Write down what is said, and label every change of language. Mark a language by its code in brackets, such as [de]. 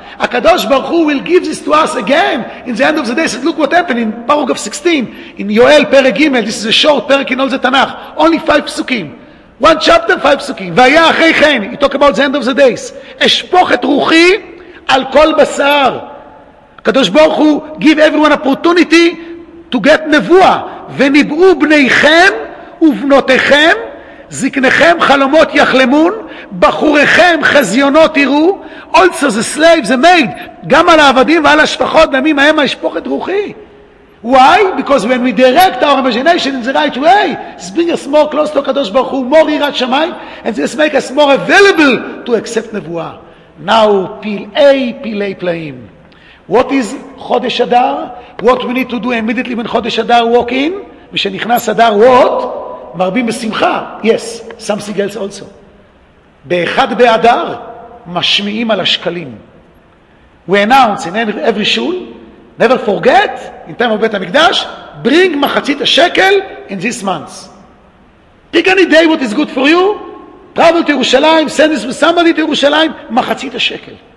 [en] HaKadosh Baruch Hu will give this to us again in the end of the day. He said, look what happened in paragraph 16 in Yoel Perek Gimel. This is a short perek in all the Tanakh, only 5 psukim, one chapter, 5 psukim. [he] V'aya achei chen, [en] he talk about the end of the days. [he] Eshpoch et ruchi al kol basar. HaKadosh Baruch Hu give everyone opportunity to get nevuah. V'nib'u bneichem uvnotechem, זקניכם חלומות יחלמון, בחוריכם חזיונות יראו. [en] Also the slaves are made, [he] גם על העבדים ועל השפחות, בימים ההם אשפוך את רוחי. [en] Why? Because when we direct our imagination in the right way, it's bring us more close to הקדוש ברוך הוא, more יראת שמיים, and this make us more available to accept נבואה. [he] Now, פלאי פלאי פלאים. [en] What is חודש אדר? What we need to do immediately when חודש אדר walk in? [he] ושנכנס אדר, what? מרבים בשמחה, [en] yes, something else also. [he] באחד באדר, משמיעים על השקלים. [en] We announce in every shul, never forget, in time of בית המקדש, bring מחצית השקל in this month. Pick any day what is good for you, travel to ירושלים, send this with somebody to ירושלים, מחצית השקל.